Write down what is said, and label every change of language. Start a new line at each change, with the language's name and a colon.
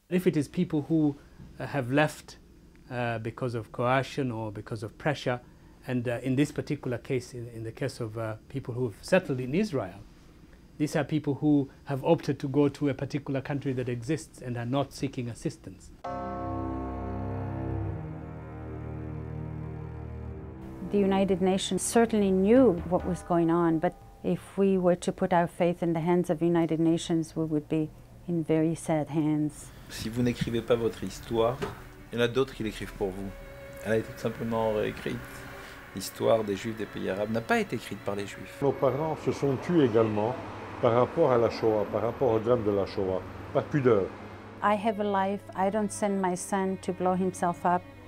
English: If it is people who have left because of coercion or because of pressure, and in this particular case, in the case of people who have settled in Israel, these are people who have opted to go to a particular country that exists and are not seeking assistance. The United Nations certainly knew what was going on, but if we were to put our faith in the hands of the United Nations, we would be in very sad hands.
French: Si vous n'écrivez pas votre histoire, il y en a d'autres qui l'écrivent pour vous. Elle a été tout simplement réécrite. L'histoire des Juifs des pays arabes n'a pas été écrite par les Juifs. Nos parents se sont tués également par rapport à la Shoah, par rapport au drame de la Shoah. Pas de pudeur.
English: I have a life. I don't send my son to blow himself up.